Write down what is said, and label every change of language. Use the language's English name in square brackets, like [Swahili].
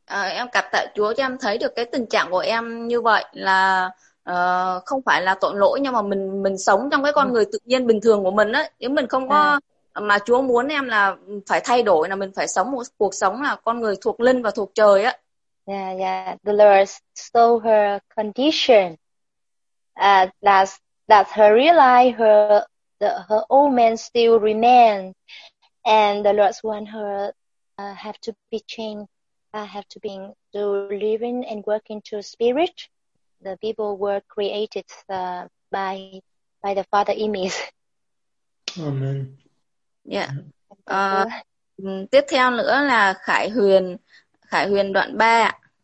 [Vietnamese] Em cảm tạ Chúa cho em thấy được cái tình trạng của em như vậy là không phải là tội lỗi, nhưng mà mình sống trong cái con người tự nhiên bình thường của mình á, nếu mình không có mà Chúa muốn em là phải thay đổi, là mình phải sống một cuộc sống là con người thuộc linh và thuộc trời á. [English] The Lord saw her condition. that her real life, her old man still remain, and the Lord want her have to be changed, have to be to living and working to spirit. The people were created by the Father image. Amen. Yeah. [Vietnamese] Tiếp theo nữa là Khải Huyền đoạn 3.